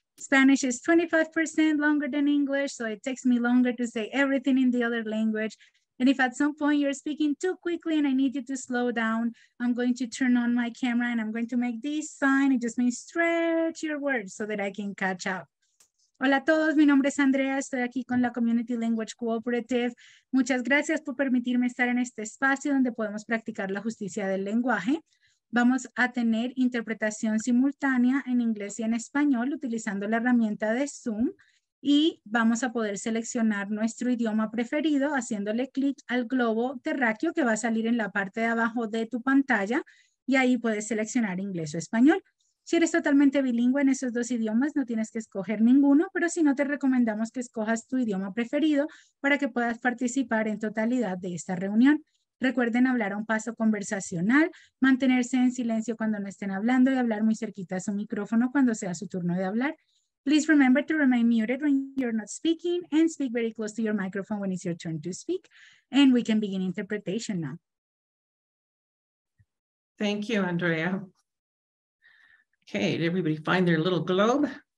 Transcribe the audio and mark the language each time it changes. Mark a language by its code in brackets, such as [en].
[en] Spanish is 25% longer than English, so it takes me longer to say everything in the other language. And if at some point you're speaking too quickly and I need you to slow down, I'm going to turn on my camera and I'm going to make this sign. It just means stretch your words so that I can catch up. [es] Hola a todos, mi nombre es Andrea. Estoy aquí con la Community Language Cooperative. Muchas gracias por permitirme estar en este espacio donde podemos practicar la justicia del lenguaje. Vamos a tener interpretación simultánea en inglés y en español utilizando la herramienta de Zoom y vamos a poder seleccionar nuestro idioma preferido haciéndole clic al globo terráqueo que va a salir en la parte de abajo de tu pantalla y ahí puedes seleccionar inglés o español. Si eres totalmente bilingüe en esos dos idiomas, no tienes que escoger ninguno, pero si no, te recomendamos que escojas tu idioma preferido para que puedas participar en totalidad de esta reunión. Recuerden hablar a un paso conversacional, mantenerse en silencio cuando no estén hablando y hablar muy cerquita a su micrófono cuando sea su turno de hablar. [en] Please remember to remain muted when you're not speaking and speak very close to your microphone when it's your turn to speak. And we can begin interpretation now. Thank you, Andrea. Okay, did everybody find their little globe?